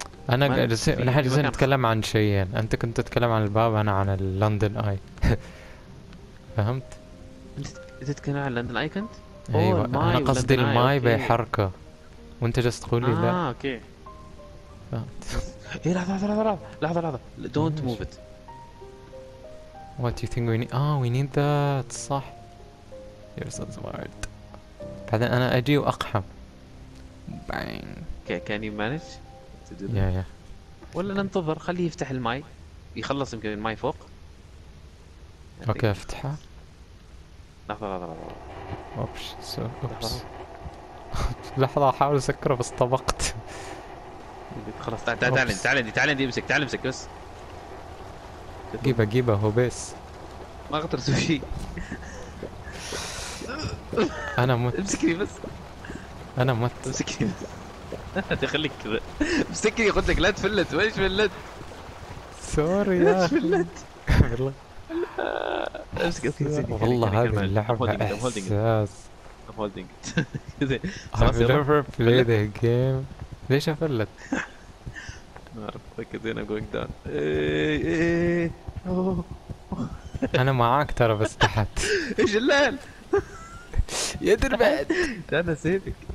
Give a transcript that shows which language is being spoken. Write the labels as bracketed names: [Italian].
[Arabic] انا نحن جالسين نتكلم عن شيئين، انت كنت تتكلم عن الباب، انا عن اللندن اي. فهمت؟ انت تتكلم عن لندن اي كنت؟ ايوه انا قصدي الماي بيحركه. وانت جالس تقول لي لا. اوكي. فهمت؟ اي لحظة لحظة لحظة لحظة لحظة. [English] Don't move it. What do you think we need? Oh, we need that. [Arabic] صح. [English] You're so smart. [Arabic] بعدين أنا أجي وأقحم. Bang. [English] Okay, can you manage to do that? Yeah, yeah. [Arabic] ولا ننتظر خليه يفتح الماي يخلص يمكن الماي فوق. Okay, افتحه. لحظة لحظة لحظة. [English] Oops. So. Oops. [Arabic] لحظة أحاول أسكره بس طبقت. خلاص تعال تعال تعال تعال تعال امسك تعال امسك بس. جيبه جيبه هو بس ما اقدر اسوي شيء. انا مت. امسكني بس. انا مت. امسكني بس. تخليك كذا امسكني قلت لك لا تفلت. ما ايش فلت؟ سوري يا ايش فلت؟ والله امسك امسك والله هذه اللعبه احساس. [English] I'm holding it. I've never played the game. [Arabic] ليش افلت؟ ما اعرف اوكي زين [English] I'm going down. [Arabic] ايه انا معاك ترى بس تحت. ايش الليل؟ يا دربعت انا سيفك.